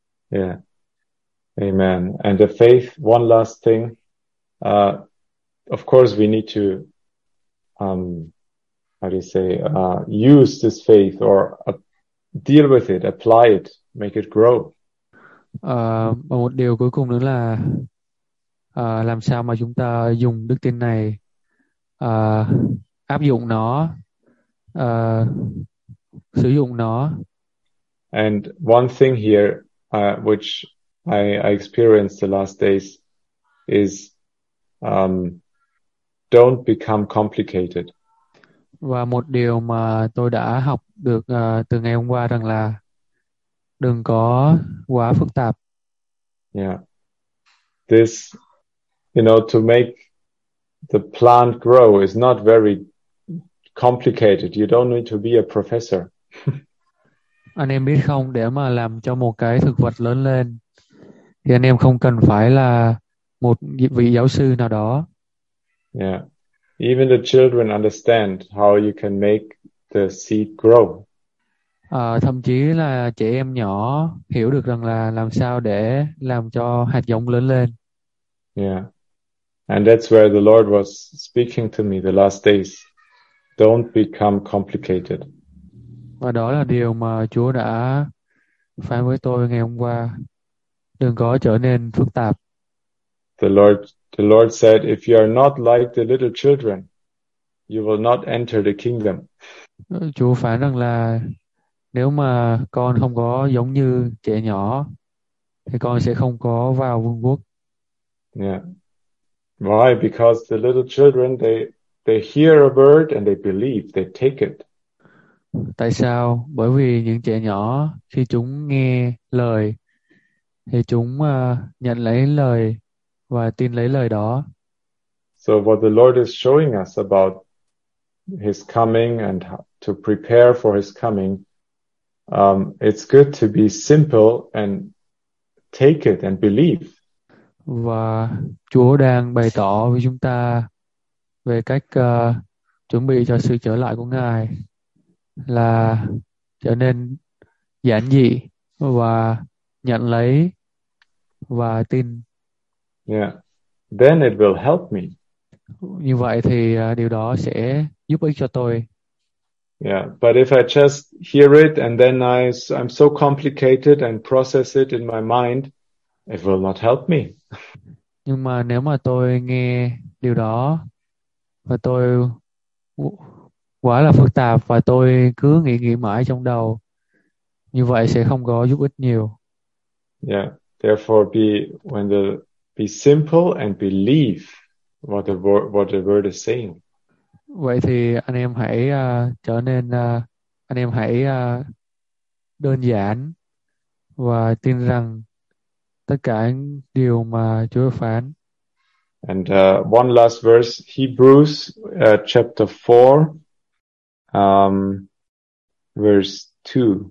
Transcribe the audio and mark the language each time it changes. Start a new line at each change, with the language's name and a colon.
English: Yeah. Amen. And the faith, one last thing. Of course we need to use this faith or deal with it, apply it, make it grow.
Vietnamese: Một điều cuối cùng nữa là làm sao mà chúng ta dùng đức tin này áp dụng nó, sử dụng nó.
English: And one thing here which I experienced the last days is don't become complicated.
Vietnamese: Và một điều mà tôi đã học được từ ngày hôm qua rằng là đừng có quá phức tạp.
English: Yeah. This, you know, to make the plant grow is not very complicated. You don't need to be a professor.
Vietnamese: Anh em biết không, để mà làm cho một cái thực vật lớn lên thì anh em không cần phải là một vị giáo sư nào đó.
English: Yeah. Even the children understand how you can make the seed grow.
Vietnamese: Thậm chí là trẻ em nhỏ hiểu được rằng là làm sao để làm cho hạt giống lớn lên.
English: Yeah. And that's where the Lord was speaking to me the last days. Don't become complicated.
Vietnamese: Và đó là điều mà Chúa đã phán với tôi ngày hôm qua. Đừng có trở nên phức tạp.
English: The Lord said, if you are not like the little children, you will not enter the kingdom.
Vietnamese: Chúa phán rằng là nếu mà con không có giống như trẻ nhỏ thì con sẽ không có vào vương quốc.
English: Yeah. Why? Because the little children they hear a bird and they believe, they take it.
Vietnamese: Tại sao? Bởi vì những trẻ nhỏ khi chúng nghe lời thì chúng nhận lấy lời và tin lấy lời đó.
English: So what the Lord is showing us about his coming and to prepare for his coming, it's good to be simple and take it and believe.
Vietnamese: Và Chúa đang bày tỏ với chúng ta về cách chuẩn bị cho sự trở lại của Ngài là trở nên giản dị và nhận lấy và tin.
English: Yeah. Then it will help me.
Vietnamese: Như vậy thì điều đó sẽ giúp ích cho tôi.
English: Yeah, but if I just hear it and then I'm so complicated and process it in my mind, it will not help me.
Vietnamese: Nhưng mà nếu mà tôi nghe điều đó và tôi quá là phức tạp và tôi cứ nghĩ mãi trong đầu, như vậy sẽ không có giúp ích nhiều.
English: Yeah, therefore be simple and believe what the word is saying.
Vietnamese: Vậy thì anh em hãy trở nên anh em hãy đơn giản và tin rằng tất cả những điều mà Chúa phán.
English: And one last verse, Hebrews chapter 4 verse 2.